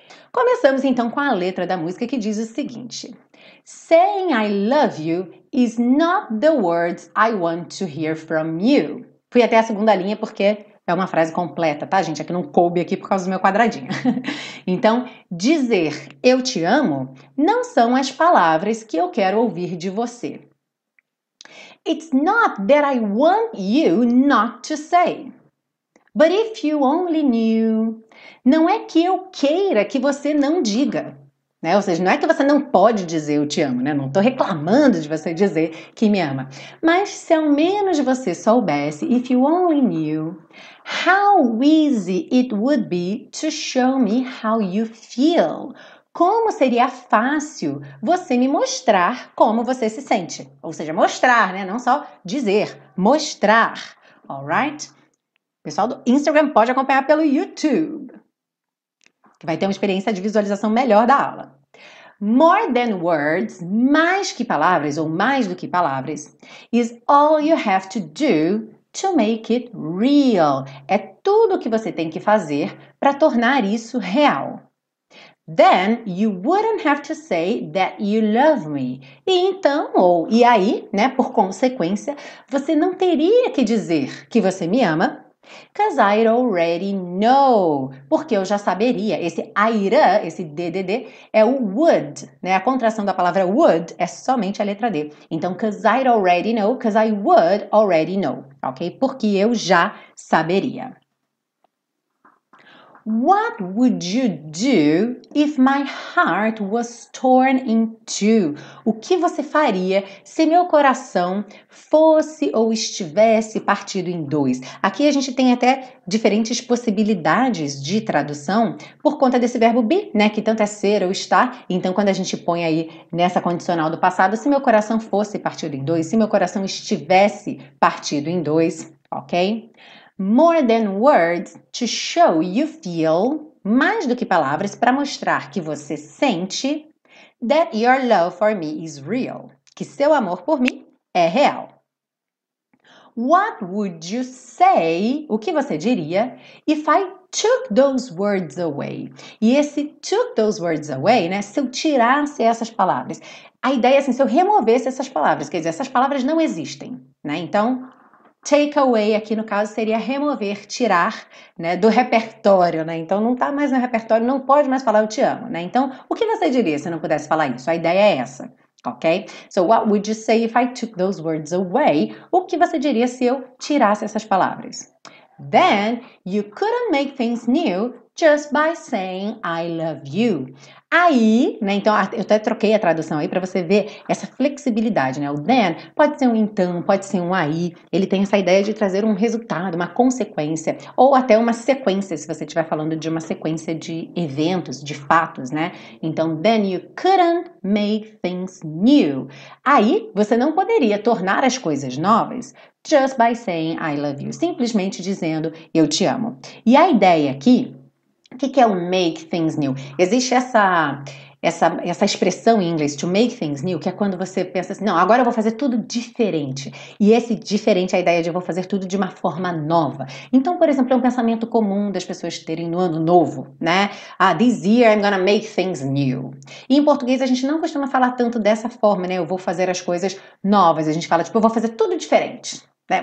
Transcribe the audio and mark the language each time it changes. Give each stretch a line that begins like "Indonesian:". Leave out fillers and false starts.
Portuguese: Começamos então com a letra da música que diz o seguinte:
English: Saying I love you is not the words I want to hear from you.
Portuguese: Fui até a segunda linha porque é uma frase completa, tá, gente? É que não coube aqui por causa do meu quadradinho. Então, dizer eu te amo não são as palavras que eu quero ouvir de você.
English: It's not that I want you not to say. But if you only knew.
Portuguese: Não é que eu queira que você não diga. Né? Ou seja, não é que você não pode dizer eu te amo, né? Não estou reclamando de você dizer que me ama. Mas se ao menos você soubesse,
English: if you only knew, how easy it would be to show me how you feel.
Portuguese: Como seria fácil você me mostrar como você se sente. Ou seja, mostrar, né? Não só dizer, mostrar. Alright? Pessoal do Instagram pode acompanhar pelo YouTube. Vai ter uma experiência de visualização melhor da aula.
English: More than words,
Portuguese: mais que palavras ou mais do que palavras,
English: is all you have to do to make it real.
Portuguese: É tudo o que você tem que fazer para tornar isso real.
English: Then you wouldn't have to say that you love me.
Portuguese: E então, ou e aí, né, por consequência, você não teria que dizer que você me ama.
English: Because I already know,
Portuguese: porque eu já saberia, esse aira, esse DDD, é o would, né? A contração da palavra would é somente a letra D.
English: Então, because I already know, because I would already know, ok?
Portuguese: Porque eu já saberia.
English: What would you do if my heart was torn in two?
Portuguese: O que você faria se meu coração fosse ou estivesse partido em dois? Aqui a gente tem até diferentes possibilidades de tradução por conta desse verbo be, né? Que tanto é ser ou estar. Então, quando a gente põe aí nessa condicional do passado, se meu coração fosse partido em dois, se meu coração estivesse partido em dois, ok?
English: More than words to show you feel,
Portuguese: mais do que palavras para mostrar que você sente,
English: that your love for me is real,
Portuguese: que seu amor por mim é real.
English: What would you say,
Portuguese: o que você diria,
English: if I took those words away?
Portuguese: E esse
English: took those words away,
Portuguese: né, se eu tirasse essas palavras, a ideia é assim, se eu removesse essas palavras, quer dizer, essas palavras não existem, né, então... Take away, aqui no caso, seria remover, tirar, né, do repertório, né? Então, não tá mais no repertório, não pode mais falar eu te amo, né? Então, o que você diria se não pudesse falar isso? A ideia é essa, ok?
English: So, what would you say if I took those words away?
Portuguese: O que você diria se eu tirasse essas palavras?
English: Then, you couldn't make things new just by saying I love you.
Portuguese: Aí, né, então, eu até troquei a tradução aí para você ver essa flexibilidade, né? O then pode ser um então, pode ser um aí. Ele tem essa ideia de trazer um resultado, uma consequência, ou até uma sequência, se você estiver falando de uma sequência de eventos, de fatos, né?
English: Então, then you couldn't make things new.
Portuguese: Aí, você não poderia tornar as coisas novas
English: just by saying I love you.
Portuguese: Simplesmente dizendo eu te amo. E a ideia aqui... O que é o make things new? Existe essa expressão em inglês,
English: to make things new,
Portuguese: que é quando você pensa assim, não, agora eu vou fazer tudo diferente. E esse diferente é a ideia de eu vou fazer tudo de uma forma nova. Então, por exemplo, é um pensamento comum das pessoas terem no ano novo, né?
English: Ah, this year I'm gonna make things new.
Portuguese: E em português a gente não costuma falar tanto dessa forma, né? Eu vou fazer as coisas novas. A gente fala, tipo, eu vou fazer tudo diferente. Né?